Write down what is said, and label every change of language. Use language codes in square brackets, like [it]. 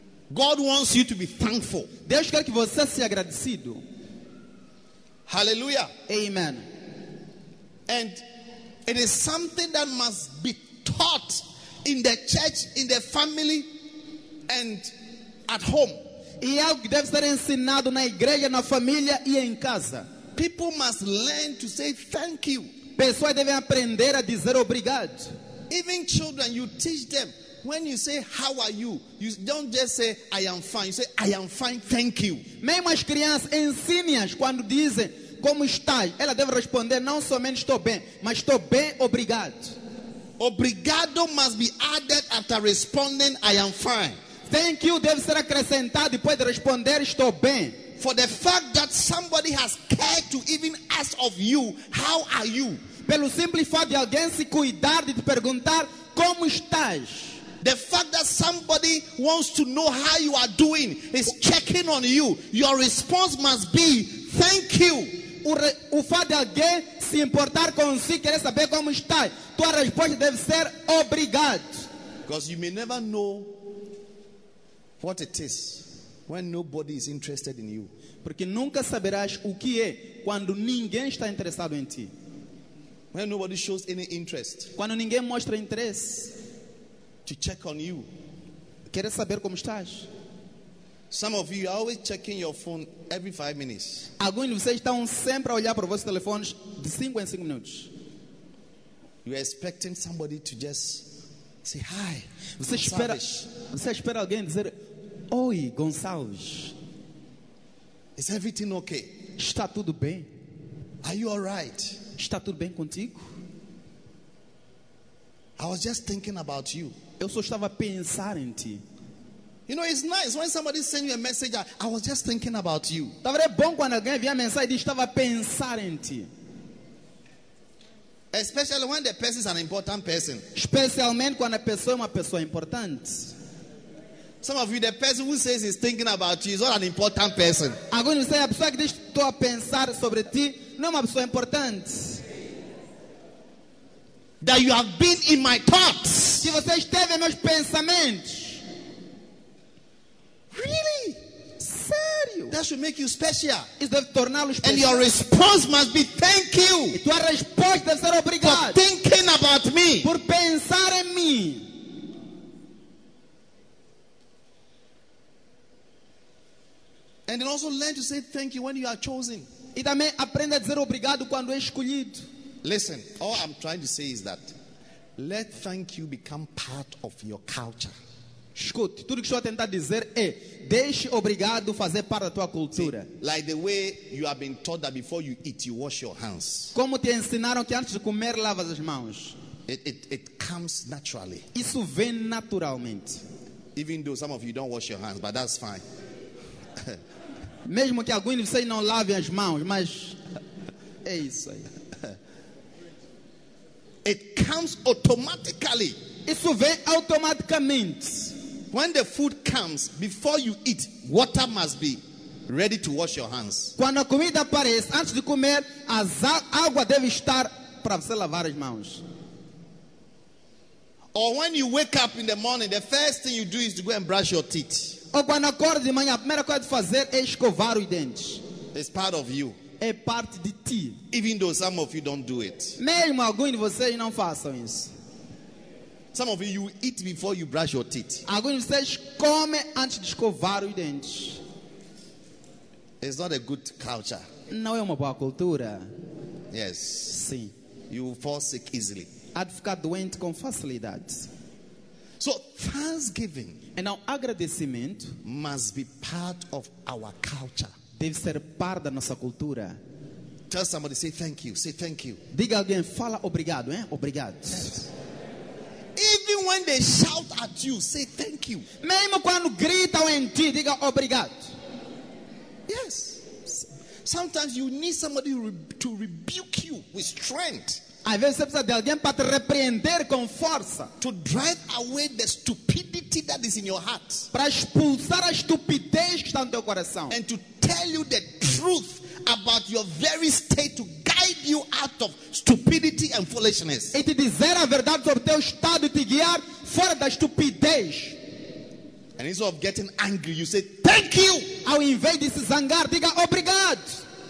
[en] God wants you to be thankful. [pt] Deus quer que você seja agradecido. [en] Hallelujah. Amen. And it is something that must be taught in the church, in the family, and at home. [pt] E algo que deve ser ensinado na igreja, na família e em casa. [en] People must learn to say thank you. [pt] Pessoas devem aprender a dizer obrigado. [en] Even children, you teach them. When you say how are you, you don't just say I am fine. You say I am fine, thank you. [pt] Mesmo as crianças ensinam quando dizem como está, ela deve responder não somente estou bem, mas estou bem, obrigado. [en] Obrigado must be added after responding I am fine. Thank you [pt] deve ser acrescentado depois de responder estou bem. [en] For the fact that somebody has cared to even ask of you how are you. [pt] Pelo simples fato de alguém se cuidar de te perguntar como estás. [en] The fact that somebody wants to know how you are doing is checking on you. Your response must be thank you. [pt] O fato de alguém se importar consigo, querer saber como está, tua resposta deve ser obrigado. [en] Because you may never know what it is when nobody is interested in you. [pt] Porque nunca saberás o que é quando ninguém está interessado em ti. [en] When nobody shows any interest. [pt] Quando ninguém mostra interesse. [en] To check on you. [pt] Quer saber como estás? [en] Some of you are always checking your phone every 5 minutes. [pt] Alguns de vocês estão sempre a olhar para os vossos telefones de 5 em 5 minutos. [en] You are expecting somebody to just say hi. [pt] Você espera alguém dizer oi, Gonçalves. [en] Is everything okay? [pt] Está tudo bem? [en] Are you all right? [pt] Está tudo bem contigo? [en] I was just thinking about you. [pt] Eu só estava a pensar em ti. [en] You know, it's nice when somebody sends you a message. I was just thinking about you. [pt] Estava é bom quando alguém envia mensagem e diz estava a pensar em ti. [en] Especially when the person is an important person. [pt] Especialmente quando a pessoa é uma pessoa importante. [en] Some of you, the person who says he's thinking about you is not an important person. [pt] Alguns dizem a pessoa que diz estou a pensar sobre ti não é uma pessoa importante. [en] That you have been in my thoughts. [pt] Que você esteve em meus pensamentos. [en] Really? [pt] Sério? [en] That should make you special. [pt] Isso deve torná-lo especial. [en] And your response must be thank you. [pt] E tua resposta deve ser obrigado. [en] For thinking about me. [pt] Por pensar em mim. [en] And then also learn to say thank you when you are chosen. [pt] E também aprenda a dizer obrigado quando é escolhido. [en] Listen, all I'm trying to say is that let thank you become part of your culture. [pt] Escute, tudo que estou a tentar dizer é deixe obrigado fazer parte da tua cultura. [en] See, like the way you have been taught that before you eat, you wash your hands. [pt] Como te ensinaram que antes de comer lavas as mãos. [en] It comes naturally. [pt] Isso vem naturalmente. [en] Even though some of you don't wash your hands, but that's fine. [pt] Mesmo que alguns de vocês não lavem as mãos, mas é isso aí. [en] It comes automatically. [pt] Isso vem automaticamente. [en] When the food comes, before you eat, water must be ready to wash your hands. [pt] Quando a comida aparece, antes de comer, a água deve estar para você lavar as mãos. [en] Or when you wake up in the morning, the first thing you do is to go and brush your teeth. [pt] Ou quando acorda de manhã, a primeira coisa de fazer é escovar os dentes. [en] It's part of you. [pt] É parte de ti. [en] Even though some of you don't do it. [pt] Mesmo alguns de vocês não façam isso. [en] Some of you eat before you brush your teeth. [pt] Alguns de vocês comem antes de escovar os dentes. [en] It's not a good culture. [pt] Não é uma boa cultura. [en] Yes. [pt] Sim. [en] You fall sick easily. [pt] Há de ficar doente com facilidade. [en] So thanksgiving and our agradecimento must be part of our culture. [pt] Deve ser parte da nossa cultura. [en] Tell somebody, say thank you. Say thank you. [pt] Diga alguém, fala obrigado, hein? Obrigado. [en] Even when they shout at you, say thank you. [pt] Mesmo quando gritam em ti, diga obrigado. [en] Yes. Sometimes you need somebody to rebuke you with strength. [pt] Às vezes você precisa de alguém para te repreender com força. [en] To drive away the stupidity that is in your heart. [pt] Para expulsar a estupidez que está no teu coração. [en] And to tell you the truth about your very state to guide you out of stupidity and foolishness. [pt] E te dizer a verdade sobre teu estado e te guiar fora da estupidez. [en] And instead of getting angry, you say, thank you. [pt] Ao invés de se zangar, diga obrigado.